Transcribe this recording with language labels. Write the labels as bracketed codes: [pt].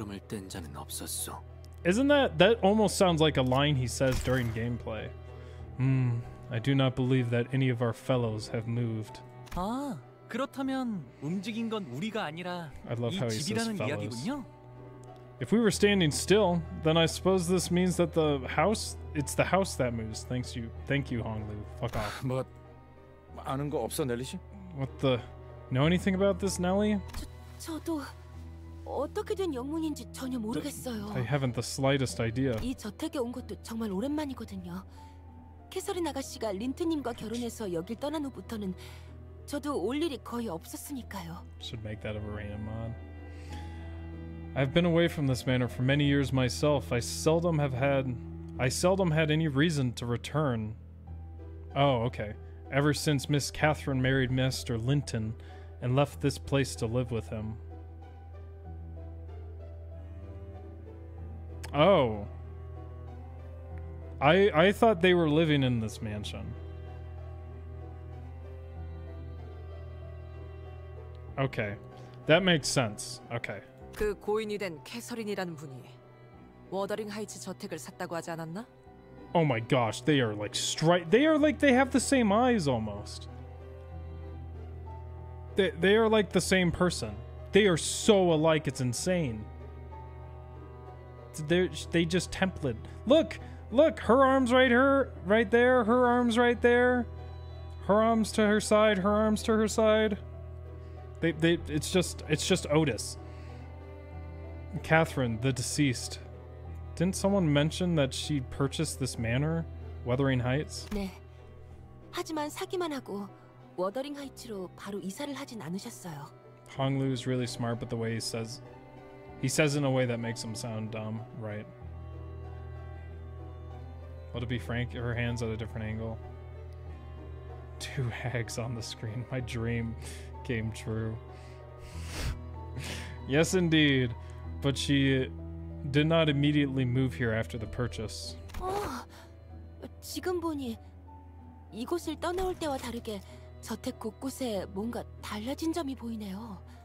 [en] He said that. Isn't that almost sounds like a line he says during gameplay. I do not believe that any of our fellows have moved. [ko] Ah, 그렇다면 움직인 건 우리가 아니라 [en] I love how he says fellows. [ko] 이야기군요. [en] If we were standing still, then I suppose this means that the house, it's the house that moves. Thank you, Honglu. Fuck off. [ko] But 아는 거 없어, 넬리 씨? [en] What the? Know anything about this, Nelly? [ko] 저도 어떻게 된 영문인지 전혀 모르겠어요. [en] I haven't the slightest idea. [ko] 이 저택에 온 것도 정말 오랜만이거든요. 캐서린 아가씨가 린트님과 결혼해서 여길 떠난 후부터는 저도 올 일이 거의 없었으니까요. [en] Should make that a random one. I've been away from this manor for many years myself. I seldom had any reason to return. Oh, okay. Ever since Miss Catherine married Mr. Linton and left this place to live with him. Oh. I thought they were living in this mansion. Okay. That makes sense. Okay. [ko] 그 고인이 된 캐서린이라는 분이 워더링 하이츠 저택을 샀다고 하지 않았나? [en] Oh my gosh, they are like straight. They are like they have the same eyes almost. They are like the same person. They are so alike, it's insane. They just templated. Look, her arms right there. Her arms right there. Her arms to her side. Her arms to her side. They. It's just Otis. Catherine, the deceased. Didn't someone mention that she purchased this manor, Wuthering Heights? [ko] 네. 하지만 사기만 하고 Wuthering Heights로 바로 이사를 하진 않으셨어요. [en] Honglu is really smart, but the way he says in a way that makes him sound dumb, right? Well, to be frank, her hands at a different angle. Two hags on the screen. My dream came true. Yes, indeed. But she did not immediately move here after the purchase. [ko] Oh, 지금 보니 이곳을 떠나올 때와 다르게 저택 곳곳에 뭔가 달라진 점이 보이네요.